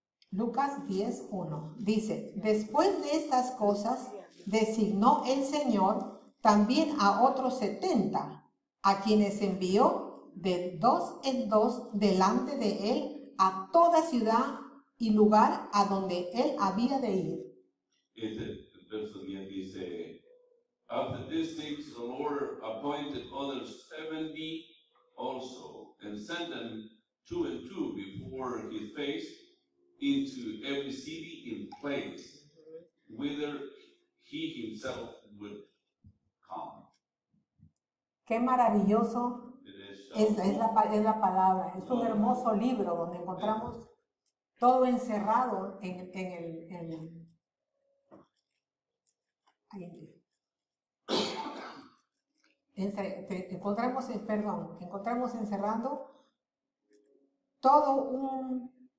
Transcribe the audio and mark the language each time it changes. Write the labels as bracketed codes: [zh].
[es] Lucas 10:1 dice: después de estas cosas, designó el Señor también a otros 70, a quienes envió de dos en dos delante de él a toda ciudad y lugar a donde él había de ir. Este verso dice: [en] after these things, the Lord appointed others 70 also, and sent them two and two before his face into every city and place whither he himself would come. [es] Qué maravilloso es la palabra. Es un hermoso libro donde encontramos todo encerrado encontramos encerrando todo un